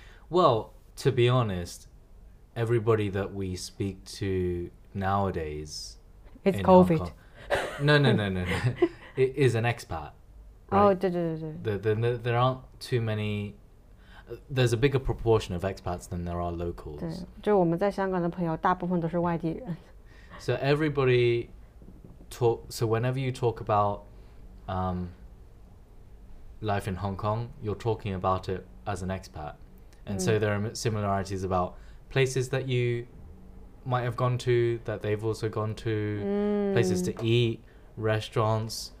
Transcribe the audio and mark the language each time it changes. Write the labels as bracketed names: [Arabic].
[English] Well, to be honest, everybody that we speak to nowadays, it's COVID. It is an expat, right? There aren't too many. There's a bigger proportion of expats than there are locals. [Chinese] 对，就我们在香港的朋友，大部分都是外地人。 [English] So everybody talk. So whenever you talk about life in Hong Kong, you're talking about it as an expat. And so there are similarities about places that you might have gone to, that they've also gone to, places to eat, restaurants,